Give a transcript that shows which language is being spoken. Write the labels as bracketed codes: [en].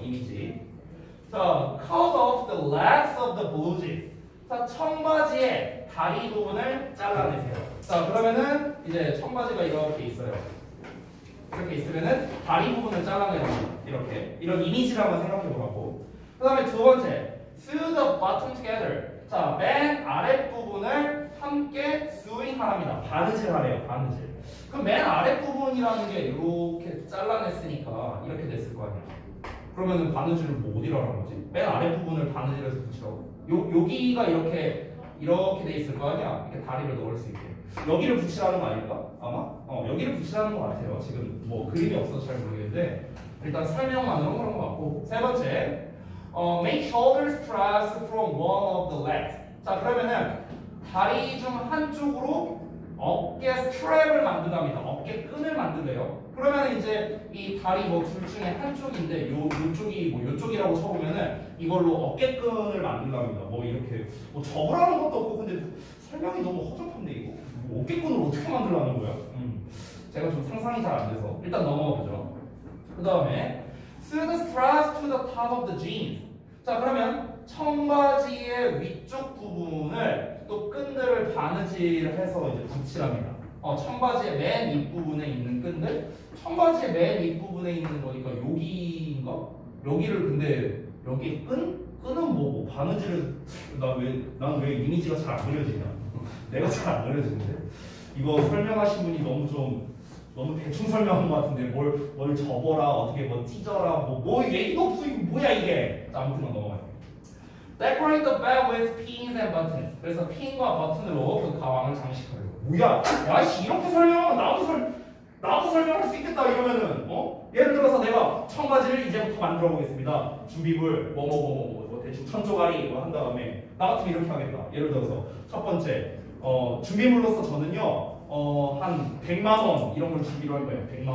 [ko] 이미지. 자, [en] cut off the legs of the blue jeans. [ko] 자, 청바지의 다리 부분을 잘라내세요. 자, 그러면은 이제 청바지가 이렇게 있어요. 이렇게 있으면은 다리 부분을 잘라내는 이렇게 이런 이미지를 한번 생각해 보라고. 그다음에 두 번째, [en] sew the bottom together. [ko] 자, 맨 아랫 부분을 함께 sewing합니다. 바느질하래요, 바느질. 그럼 맨 아랫 부분이라는 게 이렇게 잘라냈으니까 이렇게 됐을 거 아니야. 그러면은 바느질을 뭐 어디로 하는 거지? 맨 아랫 부분을 바느질해서 붙여. 여기가 이렇게 돼 있을 거 아니야? 이렇게 다리를 넣을 수 있게. 여기를 붙이라는 거 아닐까? 아마? 여기를 붙이라는 거 같아요. 지금 뭐 그림이 없어서 잘 모르겠는데 일단 설명만으로 그런 거 같고. 세 번째, [en] make shoulder straps from one of the legs. [ko] 자, 그러면은 다리 중 한쪽으로 어깨 스트랩을 만든답니다. 어깨 끈을 만들래요. 그러면 이제 이 다리 뭐 둘 중에 한쪽인데 요쪽이 뭐 요쪽이라고 쳐보면은 이걸로 어깨끈을 만들랍니다. 뭐 이렇게 뭐 접으라는 것도 없고 근데 설명이 너무 허접한데 이거 뭐 어깨끈을 어떻게 만들라는 거야? 제가 좀 상상이 잘 안 돼서 일단 넘어가 보죠. 그 다음에 [en] sew the straps to the top of the jeans. [ko] 자, 그러면 청바지의 위쪽 부분을 또 끈들을 바느질해서 이제 붙이랍니다. 청바지의 맨 윗부분에 있는 끈들? 청바지의 맨 윗부분에 있는 거니까 여기인가? 여기를 근데 여기 끈? 끈은 뭐고? 바느질을 난 왜 이미지가 잘 안 그려지냐? 내가 잘 안 그려지는데? 이거 설명하신 분이 너무 대충 설명한 것 같은데 뭘 접어라 어떻게 뭐 찢어라 뭐 얘기도 없어. 이거 뭐야 이게? 자, 아무튼 넘어가요. [en] Decorate the bag with pins and buttons. [ko] 그래서 핀과 버튼으로 그 가방을 장식하려고. 뭐야? 야씨 이렇게 설명하면 나도 설명할 수 있겠다 이러면은 예를 들어서 내가 청바지를 이제부터 만들어 보겠습니다. 준비물 뭐 대충 천 조각이 뭐 한 다음에 나 같으면 이렇게 하겠다. 예를 들어서 첫 번째 준비물로서 저는요 한 100만 원 이런 걸 준비를 할 거예요.